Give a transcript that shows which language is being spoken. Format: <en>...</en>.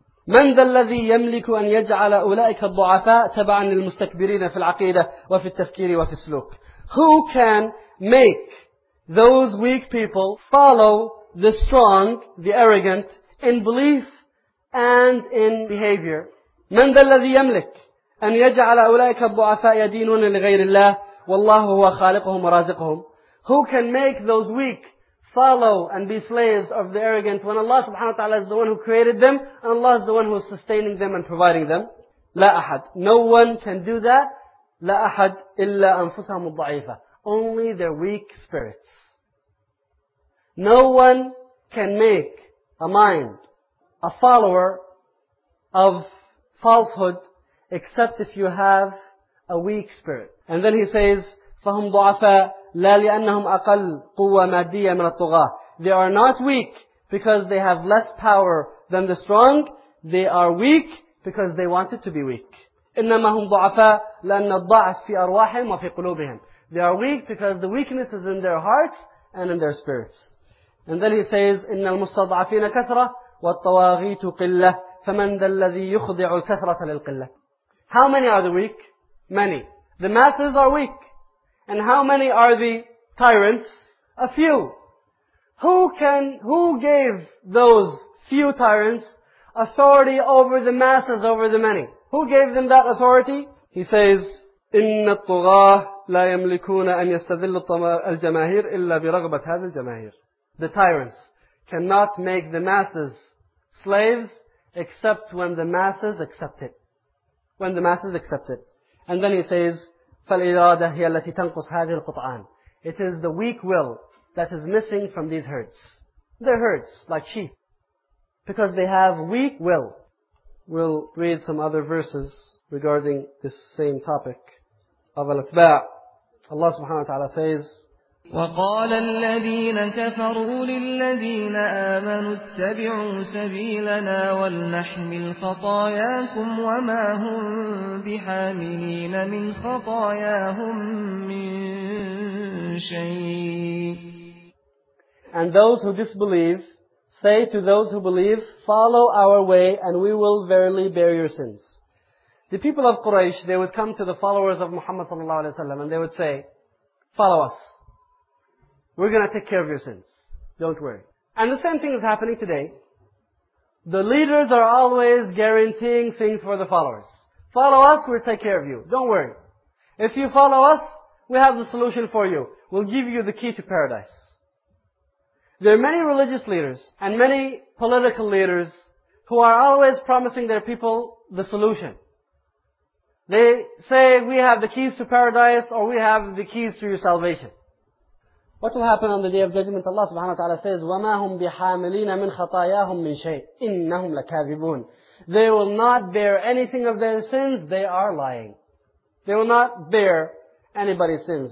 <ar>مَنْ ذَا الَّذِي يَمْلِكُ أَنْ يَجْعَلَ أُولَئِكَ الضُّعَفَاءَ تَبَعًا لِلْمُسْتَكْبِرِينَ فِي الْعَقِيدَةِ وَفِي التَّفْكِيرِ وَفِي السُّلُوكِ.</ar> <en>Who can make those weak people follow the strong, the arrogant, in belief and in behavior?</en> <ar>من ذا الذي يملك أن يجعل أولئك الضعفاء يدينون لغير الله والله هو خالقهم ورازقهم.</ar> <en>Who can make those weak follow and be slaves of the arrogant when Allah subhanahu wa ta'ala is the one who created them and Allah is the one who is sustaining them and providing them?</en> <ar>لا أحد.</ar> <en>No one can do that.</en> <ar>لا أحد إلا أنفسهم الضعيفة.</ar> <en>Only their weak spirits. No one can make a mind a follower of falsehood except if you have a weak spirit. And then he says,</en> <ar>فَهُمْ ضُعَفَاء لَا لِأَنَّهُمْ أَقَلْ قُوَّ مَادِّيَّ مِنَ الطُّغَاةِ.</ar> <en>They are not weak because they have less power than the strong. They are weak because they wanted to be weak.</en> <ar>إِنَّمَا هُمْ ضُعَفَاء لَأَنَّ الضَّعْفِ فِي أَرْوَاحِهِمْ وَفِي قُلُوبِهِمْ.</ar> <en>They are weak because the weakness is in their hearts and in their spirits. And then he says,</en> <ar>إِنَّ الْمُسْتَضْعَفِينَ كَثْرَةً وَالطَّوَاغِيتُ قِلَّةً فَمَنْ ذَا الَّذِي يُخْضِعُ الْكَثْرَةَ لِلْقِلَّةِ.</ar> <en>How many are the weak? Many. The masses are weak. And how many are the tyrants? A few. Who gave those few tyrants authority over the masses, over the many? Who gave them that authority? He says,</en> <ar>إِنَّ الطُّغَاةَ لَا يَمْلِكُونَ أَنْ يَسْتَذِلُّ الْجَمَاهِيرِ إِلَّا بِرَغْبَةَ هَذِ الْجَمَاهِيرِ.</ar> <en>The tyrants cannot make the masses slaves except when the masses accept it. When the masses accept it. And then he says,</en> <ar>فَالْإِرَادَ هِيَ الَّتِي تَنْقُصْ هَذِي الْقُطْعَانِ.</ar> <en>It is the weak will that is missing from these herds. They're herds, like sheep. Because they have weak will. We'll read some other verses regarding this same topic of al-atba'. Allah subhanahu wa ta'ala says,</en> <ar>وقال الذين كفروا للذين آمنوا اتبعوا سبيلنا ولنحمل خطاياكم وما هم بحاملين من خطاياهم من شيء.</ar> <en>And those who disbelieve say to those who believe, follow our way and we will verily bear your sins. The people of Quraysh, they would come to the followers of Muhammad sallallahu alaihi wasallam and they would say, follow us. We're going to take care of your sins. Don't worry. And the same thing is happening today. The leaders are always guaranteeing things for the followers. Follow us, we'll take care of you. Don't worry. If you follow us, we have the solution for you. We'll give you the key to paradise. There are many religious leaders and many political leaders who are always promising their people the solution. They say, we have the keys to paradise or we have the keys to your salvation. What will happen on the Day of Judgment? Allah subhanahu wa ta'ala says,</en> <ar>وَمَا هُمْ بِحَامِلِينَ مِنْ خَطَايَاهُمْ مِنْ شَيْءٍ إِنَّهُمْ لَكَاذِبُونَ.</ar> <en>They will not bear anything of their sins, they are lying. They will not bear anybody's sins.</en>